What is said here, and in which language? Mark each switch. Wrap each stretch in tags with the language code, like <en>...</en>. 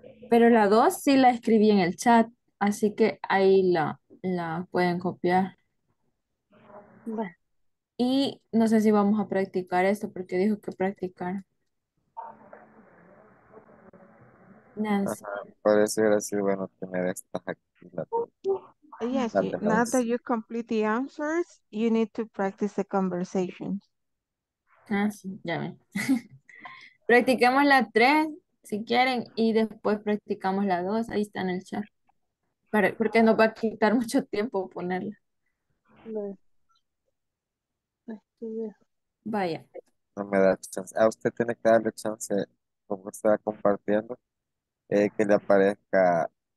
<es>Pero la 2 sí la escribí en el chat, así que ahí la pueden copiar. Bueno. Y no sé si vamos a practicar esto, porque dijo que practicar. Nancy. Ajá, parece que sí, bueno, tener estas aquí.</es> <en>Yes, now that you complete the answers, you need to practice the conversations.</en> <es>Ah, sí, ya ven. Practiquemos la 3. Si quieren, y después practicamos la 2, ahí está en el chat. Porque nos va a quitar mucho tiempo ponerla. Vaya. No me da chance. A usted tiene que darle chance, como está compartiendo, que le aparezca.</es>